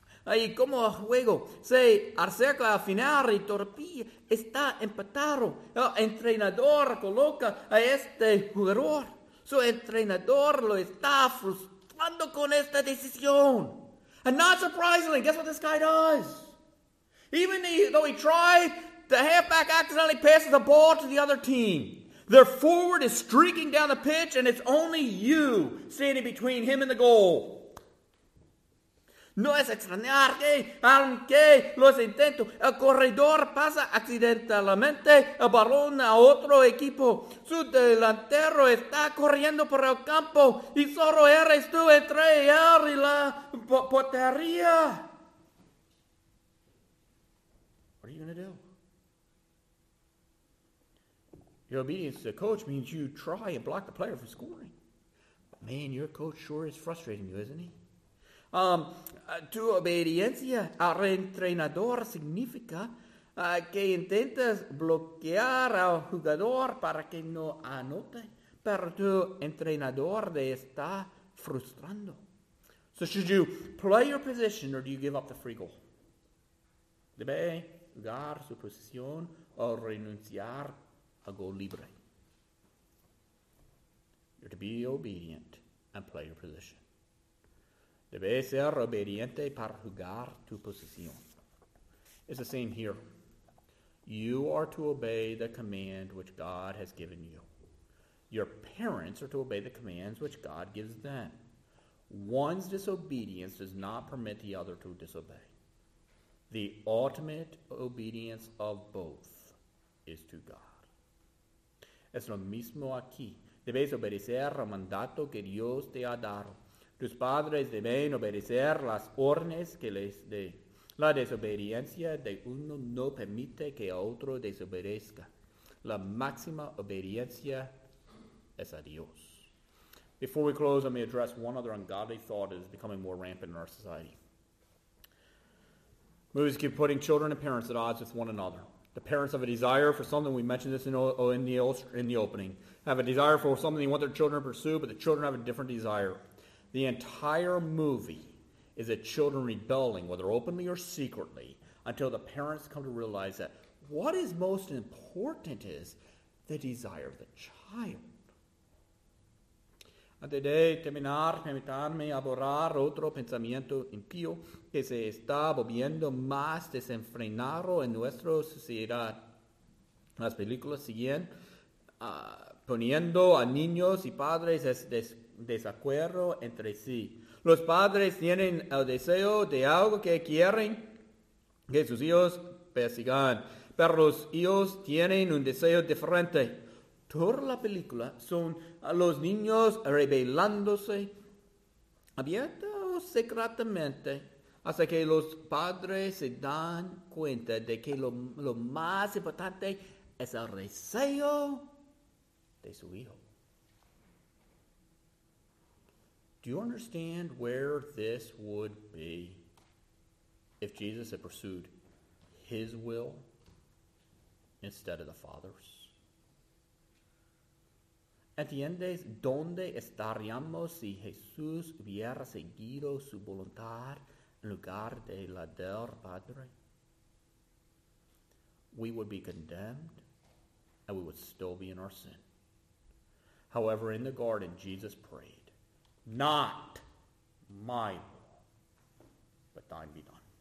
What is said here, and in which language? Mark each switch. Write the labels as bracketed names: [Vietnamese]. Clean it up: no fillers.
[Spanish] Y como el juego se acerca al final y todavía está empatado, el entrenador coloca a este jugador. Su entrenador lo está frustrando con esta decisión. [English] And not surprisingly, guess what this guy does? Even though he tried, the halfback accidentally passes the ball to the other team. Their forward is streaking down the pitch, and it's only you standing between him and the goal. [Spanish] No es extrañar que, aunque los intentos, el corredor pasa accidentalmente el balón a otro equipo. Su delantero está corriendo por el campo y solo eres tú entre él y la portería. [English] What are you going to do? Your obedience to the coach means you try and block the player from scoring. But man, your coach sure is frustrating you, isn't he? [Spanish] Tu obediencia al entrenador significa que intentas bloquear al jugador para que no anote, pero tu entrenador te está frustrando. [English] So should you play your position or do you give up the free goal? [Spanish] Debe jugar su posición o renunciar a gol libre. [English] You're to be obedient and play your position. Debe ser obediente para jugar tu posición. It's the same here. You are to obey the command which God has given you. Your parents are to obey the commands which God gives them. One's disobedience does not permit the other to disobey. The ultimate obedience of both is to God. [Spanish] Es lo mismo aquí. Debes obedecer al mandato que Dios te ha dado. Tus padres deben obedecer las órdenes que les dé. La desobediencia de uno no permite que a otro desobedezca. La máxima obediencia es a Dios. [English] Before we close, let me address one other ungodly thought that is becoming more rampant in our society. Movies keep putting children and parents at odds with one another. The parents have a desire for something. We mentioned this in the opening. Have a desire for something they want their children to pursue, but the children have a different desire. The entire movie is the children rebelling, whether openly or secretly, until the parents come to realize that what is most important is the desire of the child. [Spanish] Antes de terminar, permítanme abordar otro pensamiento impío que se está volviendo más desenfrenado en nuestra sociedad. Las películas siguen poniendo a niños y padres desacuerdo entre sí. Los padres tienen el deseo de algo que quieren que sus hijos persigan, pero los hijos tienen un deseo diferente. Toda la película son los niños rebelándose abierta o secretamente hasta que los padres se dan cuenta de que lo más importante es el deseo de su hijo. [English] Do you understand where this would be if Jesus had pursued his will instead of the Father's? [Spanish] ¿Entiendes dónde estaríamos si Jesús hubiera seguido su voluntad en lugar de la del Padre? [English] We would be condemned and we would still be in our sin. However, in the garden, Jesus prayed, "Not my will, but thine be done."